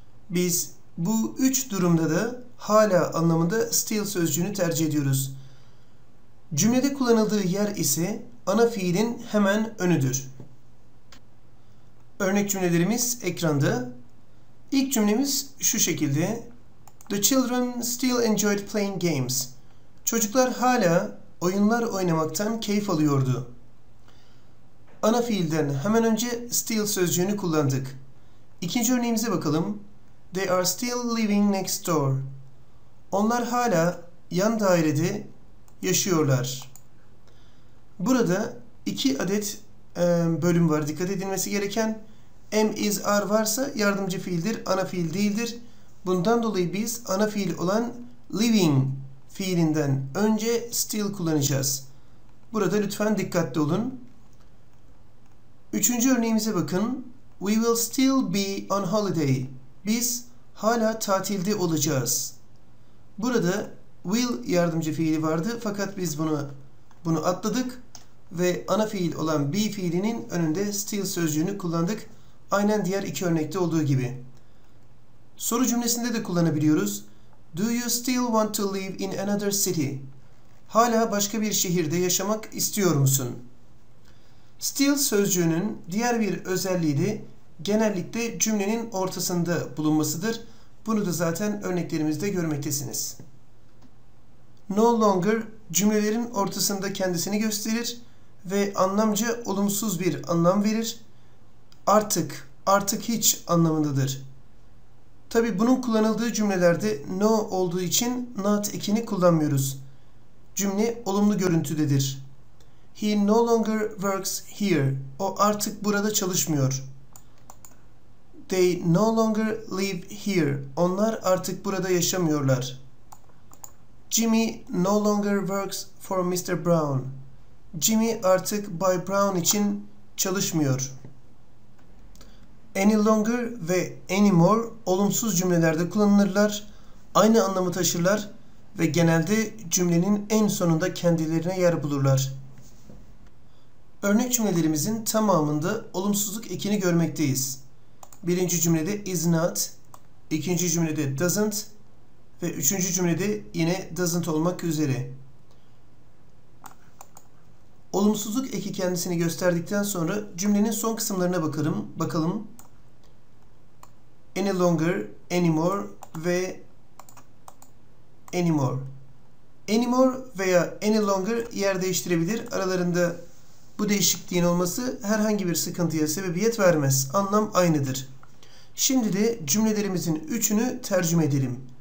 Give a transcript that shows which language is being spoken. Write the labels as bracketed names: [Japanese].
[Turkish] Biz bu üç durumda da hala anlamında still sözcüğünü tercih ediyoruz. Cümlede kullanıldığı yer ise ana fiilin hemen önüdür. Örnek cümlelerimiz ekranda. İlk cümlemiz şu şekilde. [English] The children still enjoyed playing games. [Turkish] Çocuklar hala oyunlar oynamaktan keyif alıyordu. Ana fiilden hemen önce still sözcüğünü kullandık. İkinci örneğimize bakalım. [English] They are still living next door. [Turkish] Onlar hala yan dairede yaşıyorlar. Burada iki adet bölüm var dikkat edilmesi gereken. Am, is, are varsa yardımcı fiildir, ana fiil değildir. Bundan dolayı biz ana fiil olan living fiilinden önce still kullanacağız. Burada lütfen dikkatli olun. Üçüncü örneğimize bakın. [English] We will still be on holiday. [Turkish] Biz hala tatilde olacağız. Burada will yardımcı fiili vardı fakat biz bunu atladık ve ana fiil olan be fiilinin önünde still sözcüğünü kullandık. Aynen diğer iki örnekte olduğu gibi. Soru cümlesinde de kullanabiliyoruz. [English] Do you still want to live in another city? [Turkish] Hala başka bir şehirde yaşamak istiyor musun? Still sözcüğünün diğer bir özelliği de genellikle cümlenin ortasında bulunmasıdır. Bunu da zaten örneklerimizde görmektesiniz. No longer cümlelerin ortasında kendisini gösterir ve anlamca olumsuz bir anlam verir. Artık, artık hiç anlamındadır. Tabi bunun kullanıldığı cümlelerde no olduğu için not ekini kullanmıyoruz. Cümle olumlu görüntüdedir. [English] He no longer works here. [Turkish] O artık burada çalışmıyor. [English] They no longer live here. [Turkish] Onlar artık burada yaşamıyorlar. [English] Jimmy no longer works for Mr. Brown. [Turkish] Jimmy artık Bay Brown için çalışmıyor. Any longer ve any more olumsuz cümlelerde kullanılırlar, aynı anlamı taşırlar ve genelde cümlenin en sonunda kendilerine yer bulurlar. Örnek cümlelerimizin tamamında olumsuzluk ekini görmekteyiz. Birinci cümlede is not, ikinci cümlede doesn't ve üçüncü cümlede yine doesn't olmak üzere. Olumsuzluk eki kendisini gösterdikten sonra cümlenin son kısımlarına bakalım. Any longer, anymore ve anymore. Anymore veya any longer yer değiştirebilir. Aralarında bu değişikliğin olması herhangi bir sıkıntıya sebebiyet vermez. Anlam aynıdır. Şimdi de cümlelerimizin üçünü tercüme edelim.